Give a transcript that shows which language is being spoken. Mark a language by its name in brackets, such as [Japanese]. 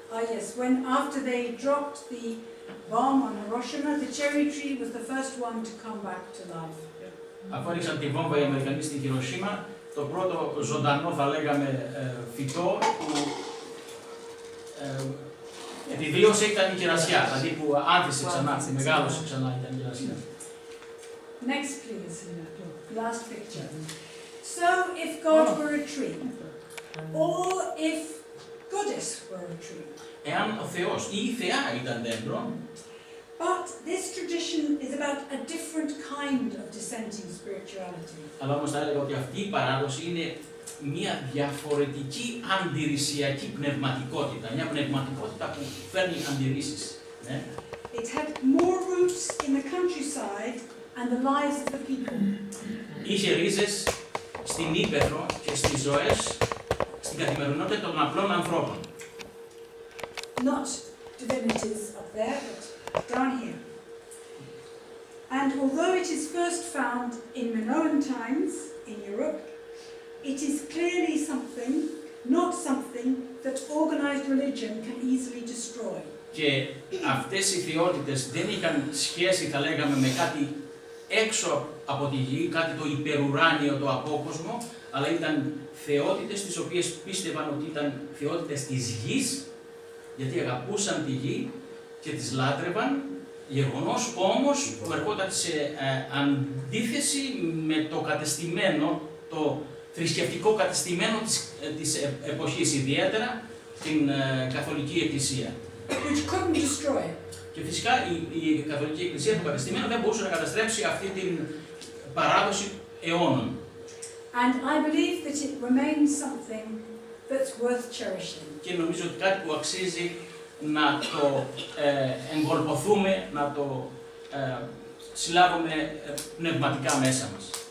[English] Yes, when after they dropped the bomb on Hiroshima, the cherry tree was the first one to come back to life. [Greek] Αφού ρίξαν τη βόμβα οι Αμερικανοί στην Χιροσίμα, το πρώτο ζωντανό, θα λέγαμε, φυτό που επιβίωσε ήταν η κερασιά, δηλαδή που άνθησε ξανά, μεγάλωσε ξανά ήταν η κερασιά. [English] Next please, last picture. So if God were a tree, or if Goddess were a tree. [Greek] Εάν ο Θεός ή η Θεά ήταν δέντρο. [English] But this tradition is about a different kind of dissenting spirituality. [Greek] Αλλά όμως θα έλεγα ότι αυτή η παράδοση είναι μια διαφορετική αντιρρησιακή πνευματικότητα, μια πνευματικότητα που φέρνει αντιρρήσεις. [English] It had more roots in the countryside and the lives of the people. [Greek] Είχε ρίζες στην Ήπειρο και στις ζωές, στην καθημερινότητα των απλών ανθρώπων. [English] Not divinities up there, but down here. And although it is first found in Minoan times in Europe, it is clearly something, not something that organized religion can easily destroy. [Greek] Και αυτές οι θεότητες δεν είχαν σχέση, θα λέγαμε, με κάτι έξω από τη γη, κάτι το υπερουράνιο, το απόκοσμο, αλλά ήταν θεότητες τις οποίες πίστευαν ότι ήταν θεότητες της γης, γιατί αγαπούσαν τη γη και τις λάτρευαν, γεγονός όμως που ερχόταν σε αντίθεση με το κατεστημένο, το θρησκευτικό κατεστημένο της εποχής, ιδιαίτερα την Καθολική Εκκλησία. [English] Which couldn't destroy it. [Greek] Και φυσικά η Καθολική Εκκλησία, το κατεστημένο, δεν μπορούσε να καταστρέψει αυτή την παράδοση αιώνων. [English] And I believe that it remains something that's worth cherishing. [Greek] Και νομίζω ότι κάτι που αξίζει να το εγκολπωθούμε, να το συλλάβουμε πνευματικά μέσα μας.